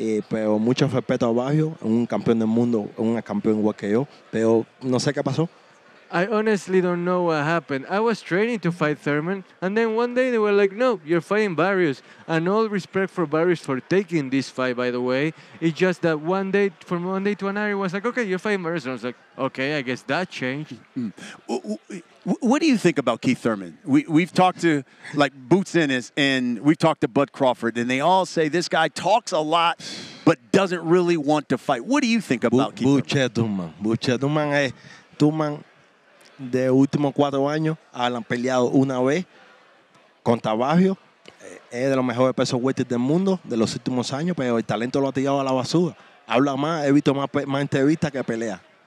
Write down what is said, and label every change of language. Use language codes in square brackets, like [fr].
[es] Pero mucho respeto a Barrio, un campeón del mundo, un campeón igual que yo, pero no sé qué pasó, [en] I honestly don't know what happened. I was training to fight Thurman, and then one day they were like, no, you're fighting Barrios. And all respect for Barrios for taking this fight, by the way. It's just that one day, from one day to another, it was like, okay, you're fighting Barrios. And I was like, okay, I guess that changed. Mm. What do you think about Keith Thurman? We've talked to, like, Boots Ennis, and we've talked to Bud Crawford, and they all say this guy talks a lot but doesn't really want to fight. What do you think about Keith Thurman? [es] Buche Thurman es Thurman. De últimos cuatro años, han peleado una vez con Tabajio. Es de los mejores pesos welter del mundo de los últimos años, pero el talento lo ha tirado a la basura. Habla más, he visto más entrevistas que pelea.